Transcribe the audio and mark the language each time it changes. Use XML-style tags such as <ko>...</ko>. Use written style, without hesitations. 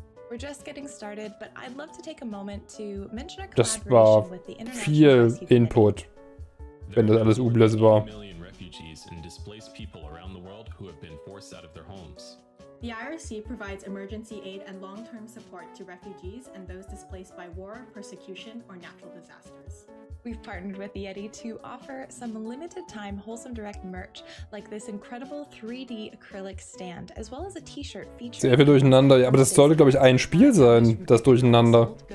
<en>We're just getting started, but I'd love to take a moment to mention a collaboration with the international community.</en> <de>Das war viel Input, wenn das alles Ublets war.</de> <en>Refugees and displaced people around the world who have been forced out of their homes. The IRC provides emergency aid and long-term support to refugees and those displaced by war, persecution, or natural disasters. We've partnered with the Yeti to offer some limited-time Wholesome Direct merch, like this incredible 3D acrylic stand, as well as a T-shirt featuring.</en> <de>Sehr viel durcheinander. Ja, aber das sollte, glaube ich, ein Spiel sein, das durcheinander.</de>